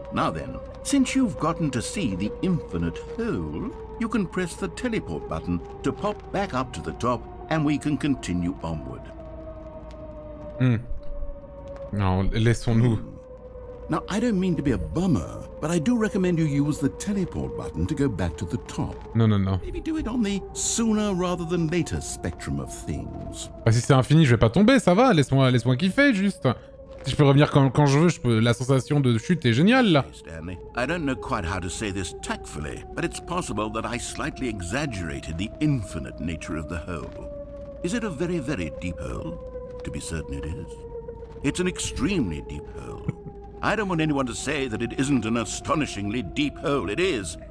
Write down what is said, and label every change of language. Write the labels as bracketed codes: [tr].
[en] Now then, since you've gotten to see the infinite hole, you can press the teleport button to pop back up to the top, and we can continue onward. [fr] Hmm. Non, laissons-nous. [en] Now, I don't mean to be a bummer, but I do recommend you use the teleport button to go back to the top. [fr] Non, non, non. [en] Maybe do it on the sooner rather than later spectrum of things. [fr] Bah si c'est infini, je vais pas tomber, ça va, laisse-moi kiffer, juste. Si je peux revenir quand je veux, la sensation de chute est géniale, là. [en] Stanley, I don't know quite how to say this tactfully, but it's possible that I slightly exaggerated the infinite nature of the hole. Is it a very, very deep hole? To be certain it is. It's an extremely deep hole. I don't want anyone to say that it isn't an astonishingly deep hole. It is.